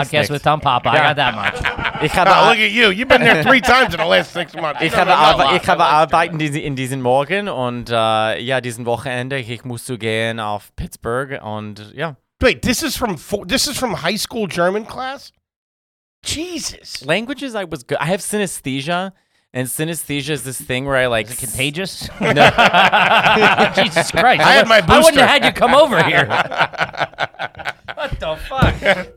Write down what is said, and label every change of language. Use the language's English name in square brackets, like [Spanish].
[English] With Tom Papa, yeah. I got that much. Look at you, you've been there three times in the last 6 months. [German] Ich habe Arbeit in diesen Morgen und diesen Wochenende, ich muss zu gehen auf Pittsburgh und ja. [English] Yeah. Wait, this is from high school German class? Jesus. Languages, I was good. I have synesthesia, and synesthesia is this thing where I like... Is it contagious? No. Jesus Christ. I had my booster. I wouldn't have had you come over here. What the fuck?